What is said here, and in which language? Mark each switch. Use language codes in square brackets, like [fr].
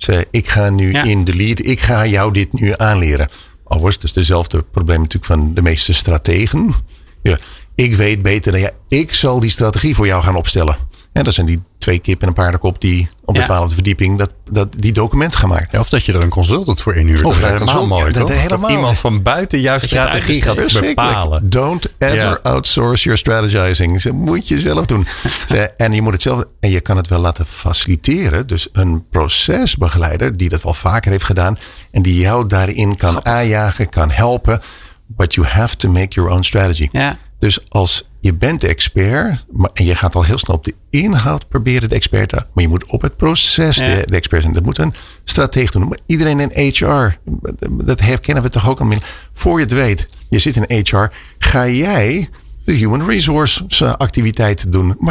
[nl] Ik ga nu in de lead, ik ga jou dit nu aanleren. Alhoewel, dat is dezelfde probleem natuurlijk van de meeste strategen. Ja, ik weet beter dan jij. Ik zal die strategie voor jou gaan opstellen. En dat zijn die twee kippen en een paardenkop die op de 12e verdieping die document gaan maken. Ja, of dat je er een consultant voor inhuurt. Of dat helemaal mooi, ja, dat helemaal. Dat iemand van buiten jouw strategie gaat bepalen. [en] Don't ever outsource your strategizing. [nl] Dat moet je zelf doen. En je moet het zelf. En je kan het wel laten faciliteren. Dus een procesbegeleider die dat wel vaker heeft gedaan. En die jou daarin kan aanjagen, kan helpen. [en] But you have to make your own strategy. [nl] Ja. Dus als je bent de expert, maar, en je gaat al heel snel op de inhoud proberen de expert te, maar je moet op het proces de expert zijn. Dat moet een stratege doen. Maar iedereen in HR, dat herkennen we toch ook al. Voor je het weet, je zit in HR, ga jij de human resource activiteiten doen.